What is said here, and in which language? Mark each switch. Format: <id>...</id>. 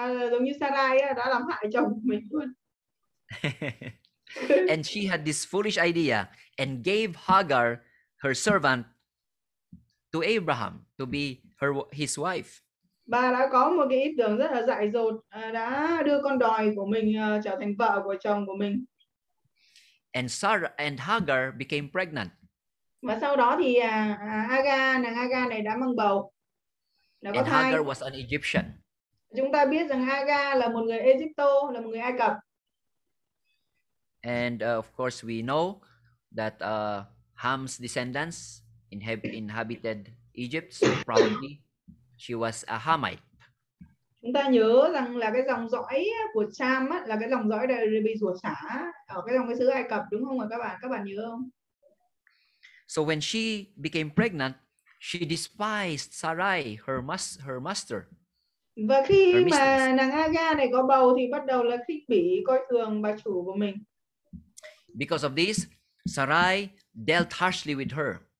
<vi>Giống như Sarai đã làm hại chồng của mình luôn.</vi> <en>And she had this foolish idea and gave Hagar, her servant, to Abraham to be his wife.</en> <vi>Bà đã có một cái ý tưởng rất là dại dột, đã đưa con đòi của mình trở thành vợ của chồng của mình.</vi> <en>And Sarah and Hagar became pregnant.</en> <vi>Và sau đó thì Hagar này đã mang bầu. Đã có</vi> <en>and</en> <vi>thai.</vi> <en>Hagar was an Egyptian.</en> <vi>Chúng ta biết rằng Hagar là một người Egypto, là một người Ai Cập.</vi> <en>And of course we know that Ham's descendants inhabited Egypt, so probably she was a Hamite.</en> <vi>Chúng ta nhớ rằng là cái dòng dõi của Cham á, là cái dòng dõi đời bị rủa xả ở cái dòng cái xứ Ai Cập, đúng không ạ các bạn nhớ không?</vi> <en>So when she became pregnant, she despised Sarai, her master.</en> <vi>Và khi mà nàng Aga này có bầu thì bắt đầu là khinh bỉ, coi thường bà chủ của mình.</vi> <en>Because of this, Sarai dealt harshly with her.</en>